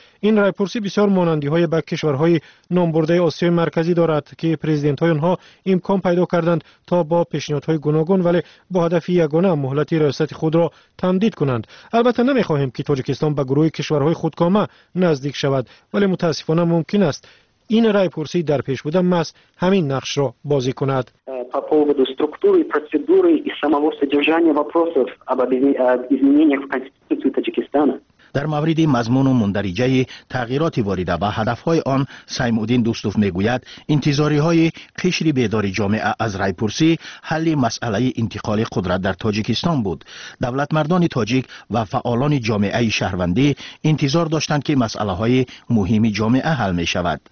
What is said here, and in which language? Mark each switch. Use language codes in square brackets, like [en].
[fa] این رای پرسی بسیار مانندی های به کشورهای نامبرده آسیای مرکزی دارد که پرزیدنت های آنها امکان پیدا کردند تا با پیشنهادهای گوناگون ولی با هدف یگانه مهلت ریاست خود را تمدید کنند. البته نمیخواهیم که تاجیکستان به گروه کشورهای خودکامه نزدیک شود، ولی متاسفانه ممکن است این رای پرسی در پیش بوده مس همین نقش را بازی کند. [ru] По поводу структуры, процедуры и самого содержания вопросов об изменениях в Конституции Таджикистана. [fa] در مورد مضمون و مندرجه‌ی تغییرات واریده و هدف‌های آن، سیمودین دوستوف می‌گوید انتظاری‌های قشر بیدار جامعه از رای‌پرسی حل مسئله انتقال قدرت در تاجیکستان بود. دولت مردان تاجیک و فعالان جامعه شهروندی انتظار داشتند که مسئله‌های مهم جامعه حل می‌شود.